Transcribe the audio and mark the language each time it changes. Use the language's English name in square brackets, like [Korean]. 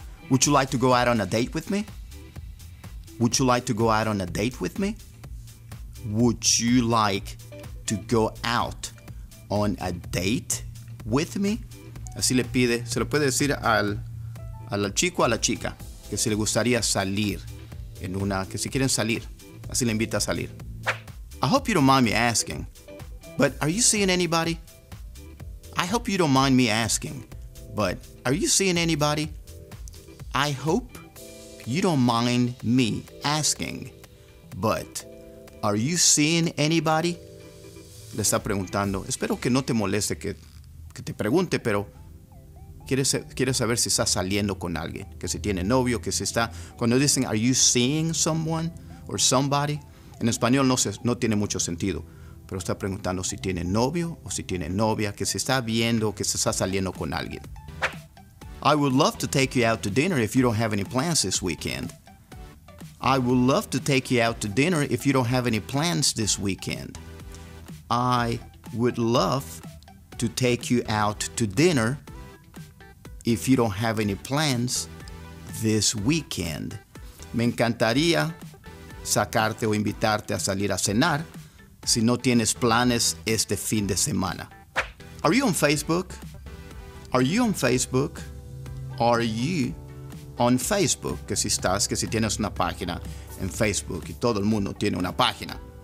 [English] Would you like to go out on a date with me? Would you like to go out on a date with me? Would you like to go out on a date with me? [Spanish] Así le pide, se lo puede decir al chico, a la chica, que si le gustaría salir en una, que si quieren salir, así le invita a salir. [English] I hope you don't mind me asking, but are you seeing anybody? I hope you don't mind me asking, but are you seeing anybody? I hope you don't mind me asking, but are you seeing anybody? [Spanish] Le está preguntando, espero que no te moleste que te pregunte, pero quiere saber si está saliendo con alguien, que si tiene novio, que si está. Cuando dicen, [English] are you seeing someone or somebody? [Spanish] En español no tiene mucho sentido, pero está preguntando si tiene novio o si tiene novia, que si está viendo, que se está saliendo con alguien. [English] I would love to take you out to dinner if you don't have any plans this weekend. I would love to take you out to dinner if you don't have any plans this weekend. I would love to take you out to dinner if you don't have any plans this weekend. [Spanish] Me encantaría sacarte o invitarte a salir a cenar si no tienes planes este fin de semana. [English] Are you on Facebook? Are you on Facebook? Are you on Facebook? [Spanish] Que si estás, que si tienes una página en Facebook y todo el mundo tiene una página.